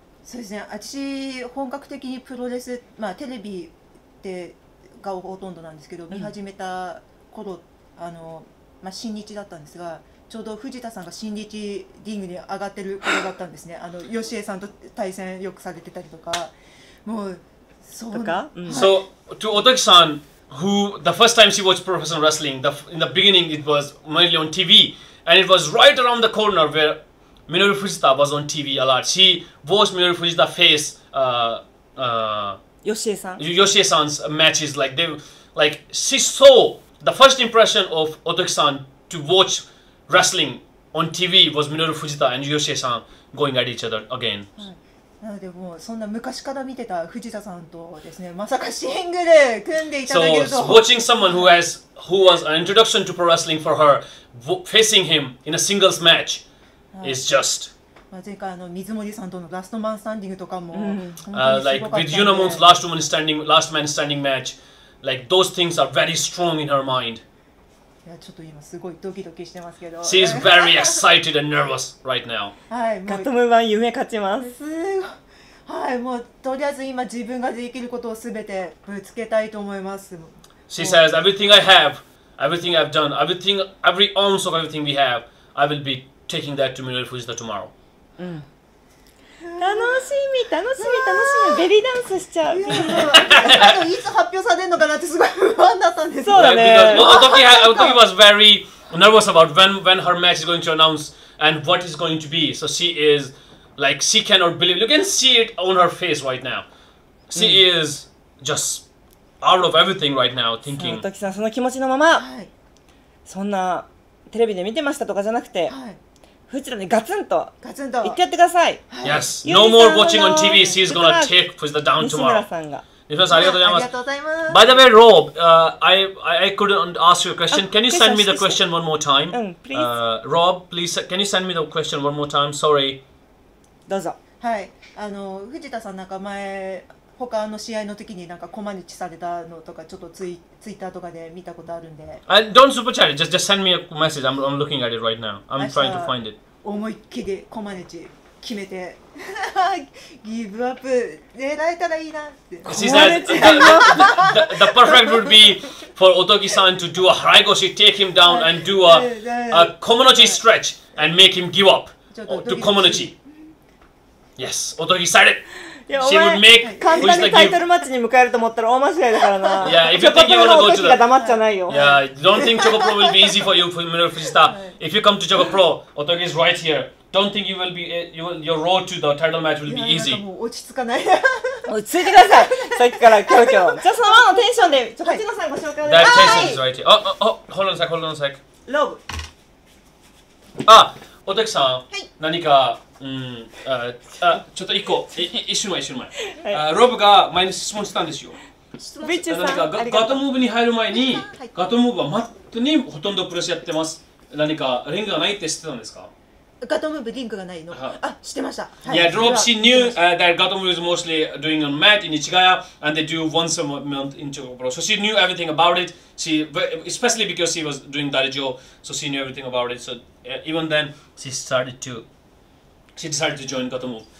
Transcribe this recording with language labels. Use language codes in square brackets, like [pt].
[ja] そうですね。あち本格的にプロレス、まあテレビでがほとんどなんですけど、見始めた頃、あの、まあ、新日だったんですが、ちょうど藤田さんが新日リングに上がってる頃だったんですね。あの吉江さんと対戦よくされてたりとか、もうそうか。 [en] So to Otoki-san. Who the first time she watched professional wrestling, in the beginning it was mainly on TV, and it was right around the corner where Minoru Fujita was on TV a lot. She watched Minoru Fujita face Yoshie-san's matches. Like she saw the first impression of Otoki-san to watch wrestling on TV was Minoru Fujita and Yoshie-san going at each other again.、 Mm. [ja] なのでもうそんな昔から見てた藤田さんとですね、まさかシングル組んでいただけると。 [en] So watching someone who was an introduction to pro wrestling for her, facing him in a singles match, is just. [ja] 前回の水森さんとのラストマンスタンディングとかも、 [en] like with Yunamon's last man standing match, like those things are very strong in her mind. [ja] いやちょっと今すごいドキドキしてますけど。 [en] She is very excited and nervous right now. [ja] はい、ガトムーバン夢勝ちます。はい、もうとりあえず今自分ができることをすべてぶつけたいと思います。 [en] She says everything I have, everything I've done, everything, every ounce of everything we have, I will be taking that to Minoru Fujita tomorrow. [ja] うん。楽しみ、楽しみ、楽しみ、ベリーダンスしちゃう。いつ発表されるのかなってすごい不安だったんです。そうだね。 [en] Otoki was very nervous about when her match is going to announce and what is going to be. So she is. Like she cannot believe. You can see it on her face right now. She is just out of everything right now, thinking. [ja] Otoki さん、その気持ちのまま、そんなテレビで見てましたとかじゃなくて、フジタにガツンと言ってやってください。 [en] Yes, no more watching on TV. She's gonna take Fujita down tomorrow. [ja] 西村さんが。西村さん、ありがとうございます。ありがとうございます。 [en] By the way, Rob, I couldn't ask you a question. Can you send me the question one more time? Please. Rob, please, can you send me the question one more time? Sorry. [ja] どうぞ。はい、あの藤田さんなんか前他の試合の時になんかコマネチされたのとかちょっとツイッターとかで見たことあるんで。 [en] Don't super chat it. Just send me a message. I'm looking at it right now. I'm trying to find it. [ja] 思いっきりコマネチ決めてギブアップ狙えたらいいなって。 [en] She says the perfect would be for Otoki-san to do a haraigoshi, take him down and do a komonochi stretch and make him give up to komonochi. Yes, Otoki said it. She would make Fujita give. [ja] 簡単にタイトルマッチに向かえると思ったら大間違いだからな。 [en] Yeah, if you think you want to go to the. [ja] Choco Pro の Otoki が黙っちゃないよ。 [en] Yeah, don't think Choco Pro will be easy for you, Minoru Fujita. If you come to Choco Pro, Otoki is right here. Don't think your road to the title match will be easy. [ja] 落ち着かない。落ち着いてください。さっきからキョロキョロ。じゃあそのままのテンションで、こっちのさんご紹介をお願いします。 [en] That tension is right here. Oh, hold on a sec, hold on a sec. Love. [ja] Ah, Otoki さん。はい。何か。ちょっと一個、一瞬前、はい、ロブが前に質問したんですよ。ビッチさん、ガトムーブに入る前に、ガトムーブは本当にほとんどプレスやってます。何かリングがないって知ってたんですか？ガトムーブリングがないの、はい、あ、知ってました。 [en] はい、yeah, Rob, she knew that ガトムーブ is mostly doing on mat in Ichigaya and they do once a month in Chikobro. So she knew everything about it. She, especially because she was doing Darijo, so she knew everything about it. So even then, she decided to join ガトムーブ。